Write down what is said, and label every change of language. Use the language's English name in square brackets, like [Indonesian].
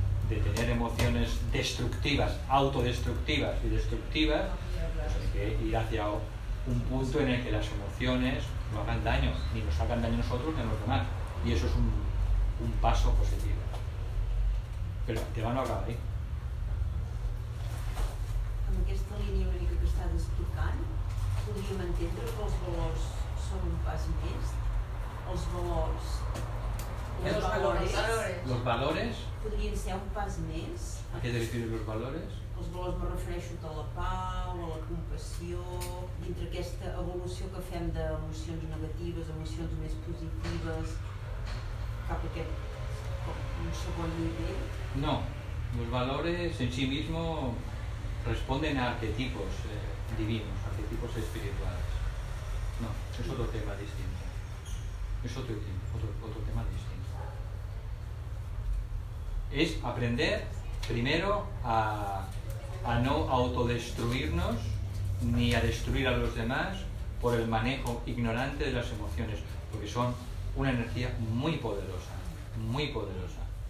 [Spanish] De tener emociones destructivas, autodestructivas y destructivas, pues hay que ir hacia un punto en el que las emociones no hagan daño, ni nos hagan daño a nosotros ni a los demás. Y eso es un paso positivo. Pero el tema no acaba ahí. [Catalan] Amb aquesta línia única que estàs explicant, podríem entendre que els valors són un pas més? Els valors... Els valors... Podrien ser un pas més? A què te refieres, els valors? Els valors, me refereixo a la pau, a la compassió, dintre aquesta evolució que fem d'emocions negatives, emocions més positives, cap a aquest un segon nivell? [Spanish] No, [Catalan] els valors [Spanish] en si mismo responden a arquetipos divinos, arquetipos espirituales. No, es otro tema distinto. Es otro tema distinto. Es aprender primero a no autodestruirnos ni a destruir a los demás por el manejo ignorante de las emociones, porque son una energía muy poderosa, muy poderosa.